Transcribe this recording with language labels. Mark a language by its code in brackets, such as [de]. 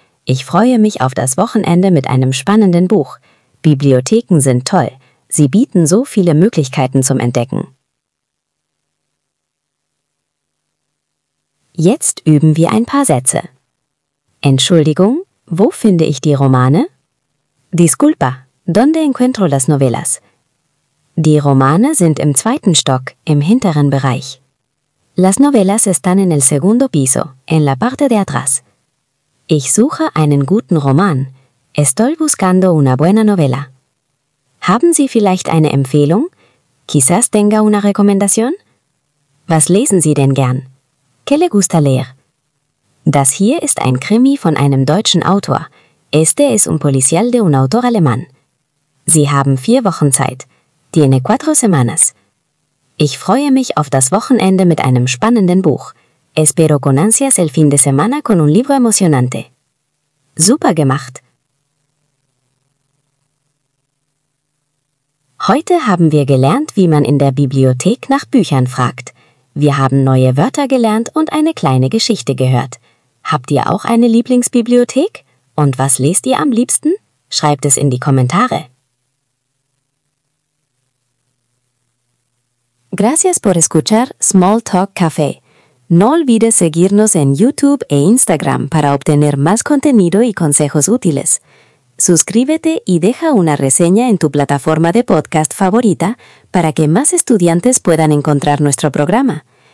[de] Ich freue mich auf das Wochenende mit einem spannenden Buch. Bibliotheken sind toll. Sie bieten so viele Möglichkeiten zum Entdecken. Jetzt üben wir ein paar Sätze. Entschuldigung, wo finde ich die Romane? [es] Disculpa, ¿dónde encuentro las novelas? [de] Die Romane sind im zweiten Stock, im hinteren Bereich. [es] Las novelas están en el segundo piso, en la parte de atrás. [de] Ich suche einen guten Roman. [es] Estoy buscando una buena novela. [de] Haben Sie vielleicht eine Empfehlung? [es] Quizás tenga una recomendación? [de] Was lesen Sie denn gern? [es] ¿Qué le gusta leer? [de] Das hier ist ein Krimi von einem deutschen Autor. [es] Este es un policial de un autor alemán. [de] Sie haben 4 Wochen Zeit. [es] Tiene 4 semanas. [de] Ich freue mich auf das Wochenende mit einem spannenden Buch. [es] Espero con ansias el fin de semana con un libro emocionante. [de] Super gemacht! Heute haben wir gelernt, wie man in der Bibliothek nach Büchern fragt. Wir haben neue Wörter gelernt und eine kleine Geschichte gehört. Habt ihr auch eine Lieblingsbibliothek? Und was lest ihr am liebsten? Schreibt es in die Kommentare. [es] Gracias por escuchar Small Talk Café. No olvides seguirnos en YouTube e Instagram para obtener más contenido y consejos útiles. Suscríbete y deja una reseña en tu plataforma de podcast favorita para que más estudiantes puedan encontrar nuestro programa.